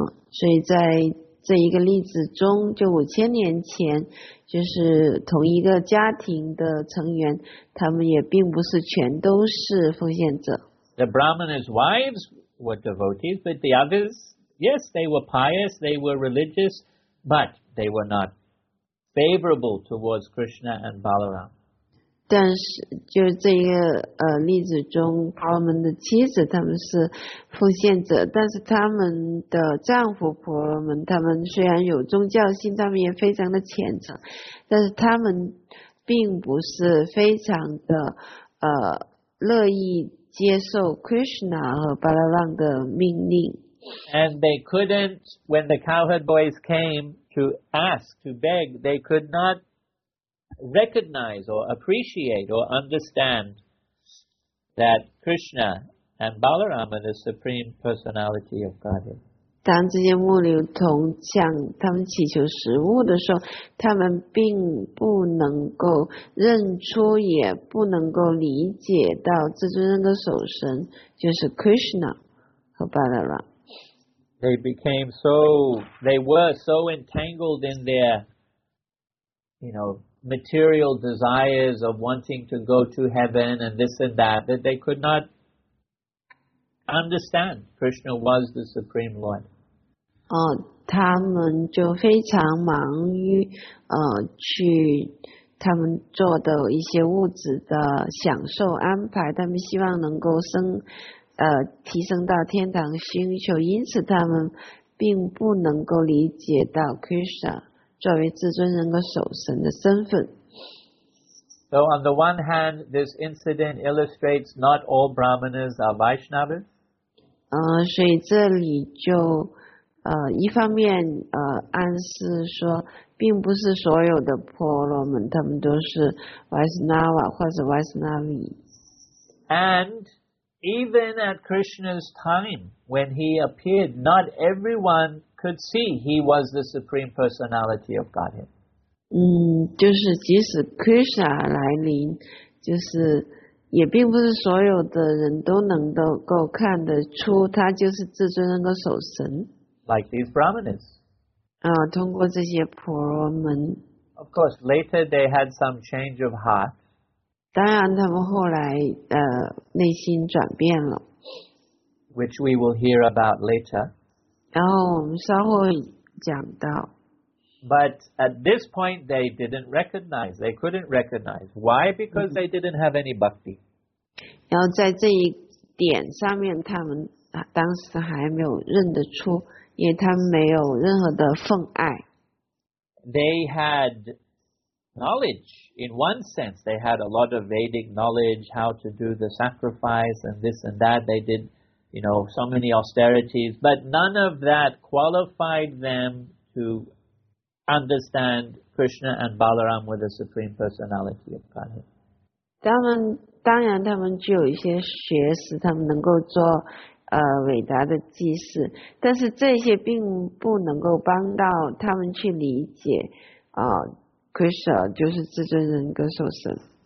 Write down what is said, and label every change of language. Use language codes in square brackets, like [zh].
[zh] 所以在这一个例子中，就五千年前，就是同一个家庭的成员，他们也并不是全都是奉献者。 [en] The Brahmana's wives were devotees, but the others, yes, they were pious, they were religious, but they were not favorable towards Krishna and Balaram. [zh] 但是就是这个例子中，婆罗门的妻子他们是奉献者，但是他们的丈夫婆罗门他们虽然有宗教性，他们也非常的虔诚，但是他们并不是非常的乐意接受 Krishna 和 Balaram 的命令。 [en] And they couldn't, when the cowherd boys came to ask, to beg, they could not recognize or appreciate or understand that Krishna and Balaram are the Supreme Personality of Godhead. [zh] 当这些牧牛童向他们祈求食物的时候，他们并不能够认出，也不能够理解到至尊人的守神就是 Krishna 和 Balaram。 [en] They became so, they were so entangled in their, you know, material desires of wanting to go to heaven and this and that, that they could not understand Krishna was the Supreme Lord. [zh] 他们就非常忙于去他们做的一些物质的享受安排，他们希望能够升提升到天堂星球，因此他们并不能够理解到 Krishna 作为至尊人格守神的身份。 [en] So on the one hand, this incident illustrates not all Brahmanas are Vaishnavas. [zh] 所以这里就一方面暗示说，并不是所有的婆罗门他们都是 Vaishnava 或者 Vaishnavi. [en] And even at Krishna's time, when he appeared, not everyone could see he was the Supreme Personality of Godhead. [zh] 就是即使 Krishna 来临，就是也并不是所有的人都能够看得出他就是至尊人格守神。 [en] Like these Brahmanas. [zh] 通过这些婆罗门。 [en] Of course, later they had some change of heart. [zh] 当然他们后来内心转变了。 [en] Which we will hear about later. [zh] 然后我们稍后讲到。 [en] But at this point, they didn't recognize. They couldn't recognize. Why? Because they didn't have any bhakti. [zh] 然后在这一点上面，他们当时还没有认得出，因为他们没有任何的奉爱。 [en] They had knowledge. In one sense, they had a lot of Vedic knowledge, how to do the sacrifice and this and that. They did, you know, so many austerities. But none of that qualified them to understand Krishna and Balaram were the Supreme Personality of Godhead. [zh] 当然他们具有一些学识，他们能够做伟大的祭祀，但是这些并不能够帮到他们去理解Krishna 就是至尊人格守神。